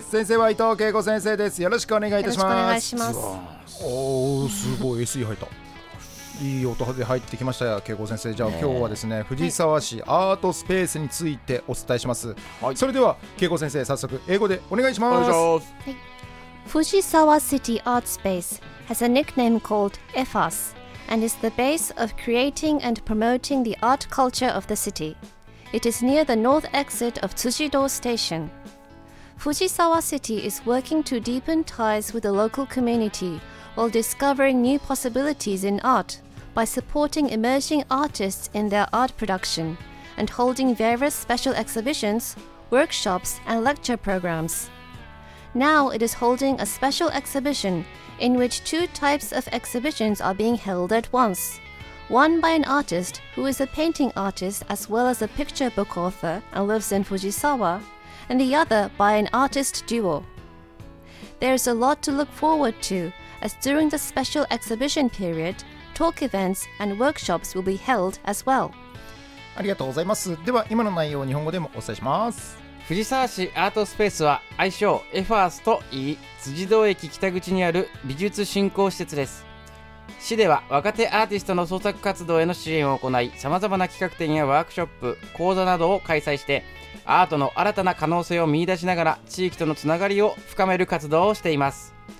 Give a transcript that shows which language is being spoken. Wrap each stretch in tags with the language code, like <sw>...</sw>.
<ja>先生は伊藤恵子先生です。よろしくお願いいたします。よろしくお願いします。おお、すごい SE 入った。いい音で入ってきましたよ、恵子先生。じゃあ今日はですね、藤沢市アートスペースについてお伝えします、はい、それでは恵子先生、早速英語でお願いします。お願いします。</ja> <en>Fujisawa City Art Space has a nickname called EFAS and is the base of creating and promoting the art culture of the city. It is near the north exit of Tsujido Station. Fujisawa City is working to deepen ties with the local community while discovering new possibilities in art by supporting emerging artists in their art production and holding various special exhibitions, workshops, and lecture programs. Now it is holding a special exhibition in which two types of exhibitions are being held at once. One by an artist who is a painting artist as well as a picture book author and lives in Fujisawa, and the other by an artist duo. There is a lot to look forward to as during the special exhibition period, talk events and workshops will be held as well.</en> <ja>ありがとうございます。では今の内容を日本語でもお伝えします。藤沢市アートスペースは愛称エファースと言い、辻堂駅北口にある美術振興施設です。市では若手アーティストの創作活動への支援を行い、さまざまな企画展やワークショップ、講座などを開催してアートの新たな可能性を見出しながら地域とのつながりを深める活動をしています。</ja>